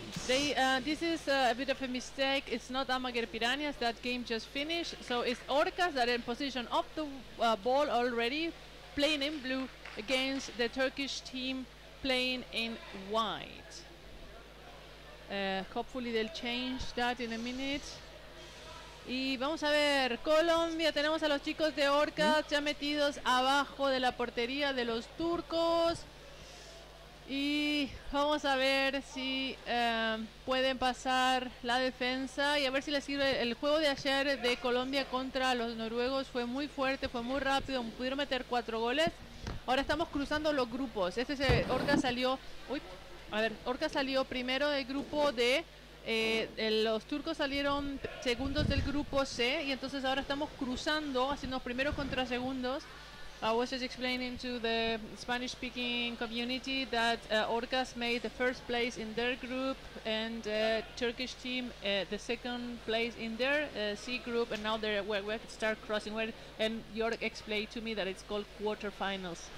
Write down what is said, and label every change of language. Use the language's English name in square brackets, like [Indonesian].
[English] They this is a bit of a mistake. It's not Armageddon Piranhas. That game just finished. So it's Orcas that are in position of the ball already, playing in blue against the Turkish team playing in white. Hopefully they'll change that in a minute. [Spanish] Y vamos a ver, Colombia, tenemos a los chicos de Orcas ya metidos abajo de la portería de los turcos. Y vamos a ver si pueden pasar la defensa y a ver si les sirve. El juego de ayer de Colombia contra los noruegos fue muy fuerte, fue muy rápido, pudieron meter 4 goles. Ahora estamos cruzando los grupos. Este es Orcas salió, Orcas salió primero del grupo D. Los turcos salieron segundos del grupo C y entonces ahora estamos cruzando, haciendo primeros contra segundos. [English] I was just explaining to the Spanish-speaking community that Orcas made the first place in their group and Turkish team the second place in their C group, and now we start crossing. And Jörg explained to me that it's called quarterfinals.